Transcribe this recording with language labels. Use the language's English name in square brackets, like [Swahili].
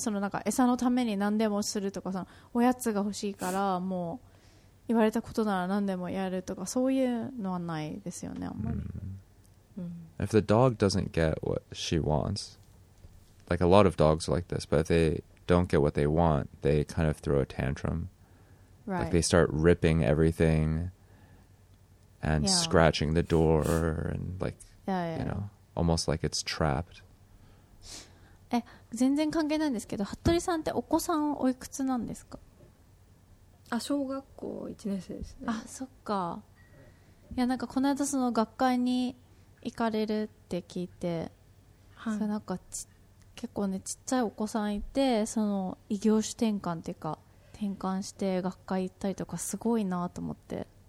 [Japanese] そのなんか餌のために何でもするとか、そのおやつが欲しいからもう言われたことなら何でもやるとか、そういうのはないですよね、あんまり。 [English] If the dog doesn't get what she wants, like a lot of dogs are like this, but if they don't get what they want, they kind of throw a tantrum. Right. Like they start ripping everything. And scratching the door and like, you know, almost like it's trapped. [Japanese] 全然関係ないんですけど、服部さんってお子さんおいくつなんですか？あ、小学校1年生ですね。あ、そっか。いや、なんかこの間その学会に行かれるって聞いて、はい、それなんか結構ね、ちっちゃいお子さんいて、その異業種転換っていうか、転換して学会行ったりとかすごいなと思って。